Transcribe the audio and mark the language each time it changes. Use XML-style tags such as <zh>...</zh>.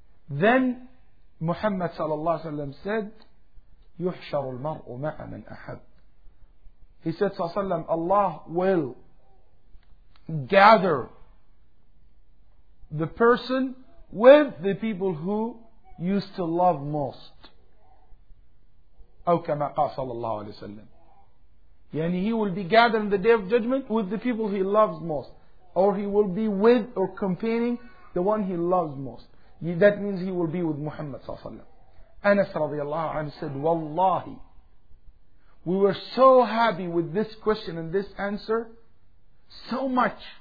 <en>Then Muhammad sallallahu alayhi wa sallam said, يُحْشَرُ الْمَرْءُ مَعَ مَنْ أَحَبُّ. He said, Sallallahu Alaihi Wasallam, Allah will gather the person with the people who used to love most.</en> <ar>أو كما قال صلى الله عليه وسلم.</ar> <en>يعني he will be gathered in the Day of Judgment with the people he loves most. Or he will be with or companioning the one he loves most. That means he will be with Muhammad صلى الله عليه وسلم. Anas رضي الله عنه said, Wallahi, we were so happy with this question and this answer, so much.</en>